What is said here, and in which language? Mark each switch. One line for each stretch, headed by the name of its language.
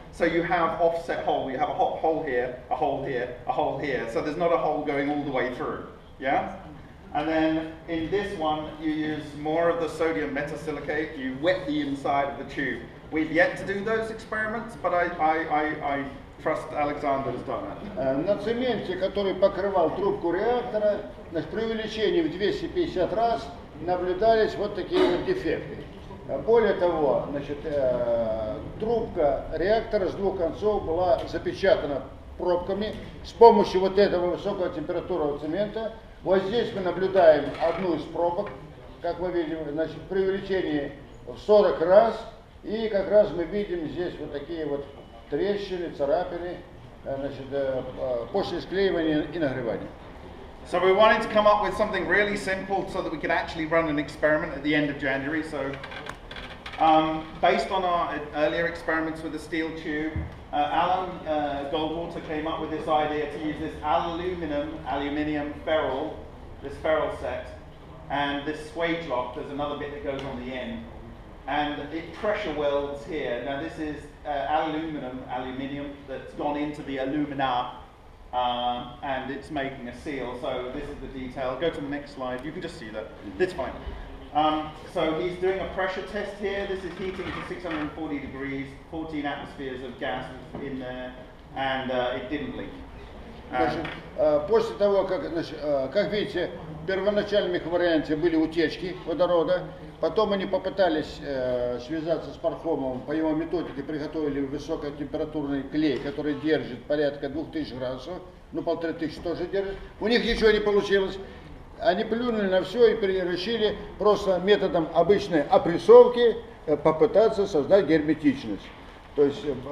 English: So you have offset hole. You have a hot hole here, a hole here, a hole here. So there's not a hole going all the way through. Yeah? And then in this one, you use more of the sodium metasilicate. You wet the inside of the tube. We've yet to do those experiments, but I trust Alexander has done it.
Russian: На цементе, который покрывал трубку реактора, значит, при увеличении в 250 раз наблюдались вот такие вот дефекты. Более того, значит, трубка реактора с двух концов была запечатана пробками с помощью вот этого высокого температурного цемента. Вот здесь мы наблюдаем одну из пробок, как мы видим, значит, при увеличении в 40 раз, и как раз мы видим здесь вот такие вот трещины, царапины, значит, после склеивания и нагревания.
English: So we wanted to come up with something really simple so that we could actually run an experiment at the end of January. So based on our earlier experiments with the steel tube, Alan Goldwater came up with this idea to use this aluminium ferrule set, and this swage lock, there's another bit that goes on the end, and it pressure welds here. Now this is aluminum that's gone into the alumina, and it's making a seal. So this is the detail. Go to the next slide. You can just see that. It's fine. So he's doing a pressure test here. This is heating to 640 degrees, 14 atmospheres of gas in there, and it didn't leak.
Russian: Значит, после того, как, значит, как видите, в первоначальном их варианте были утечки водорода, потом они попытались связаться с Пархомовым, по его методике приготовили высокотемпературный клей, который держит порядка 2000 градусов, ну 1500 тоже держит, у них ничего не получилось, они плюнули на все и решили просто методом обычной опрессовки попытаться создать герметичность, то есть...